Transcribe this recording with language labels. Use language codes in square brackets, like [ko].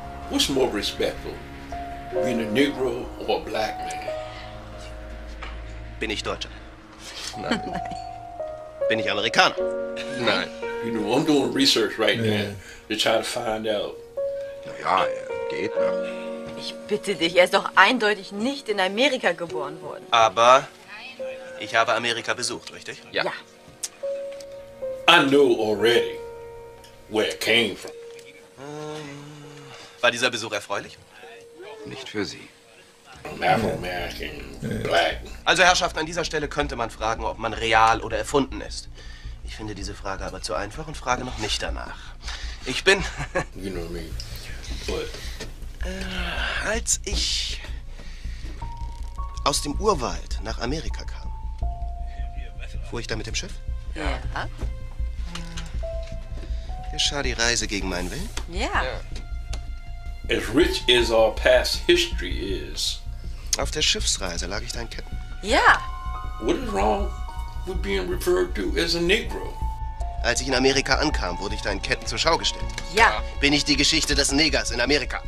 [en] What's more respectful, being a Negro or a black man? [de] Bin ich Deutscher? Nein. Bin ich Amerikaner? Nein. [en] You know, I'm doing research right now to try to find out. [de] Naja, geht noch. Ich bitte dich, er ist doch eindeutig nicht in Amerika geboren worden. Aber ich habe Amerika besucht, richtig? Ja. [en] I know already where it came from. [de] War dieser Besuch erfreulich? Nicht für Sie. [en] Afro-American, black. [de] Also Herrschaften, an dieser Stelle könnte man fragen, ob man real oder erfunden ist. Ich finde diese Frage aber zu einfach und frage noch nicht danach. Ich bin... [en] You know me. [de] Als ich aus dem Urwald nach Amerika kam, fuhr ich da mit dem Schiff? Ja. Geschah die Reise gegen meinen Willen? Ja. Yeah. [en] As rich as our past history is. [de] Auf der Schiffsreise lag ich da in Ketten. Ja. [en] What is wrong with being referred to as a Negro? [de] Als ich in Amerika ankam, wurde ich da in Ketten zur Schau gestellt. Ja. Bin ich die Geschichte des Negers in Amerika?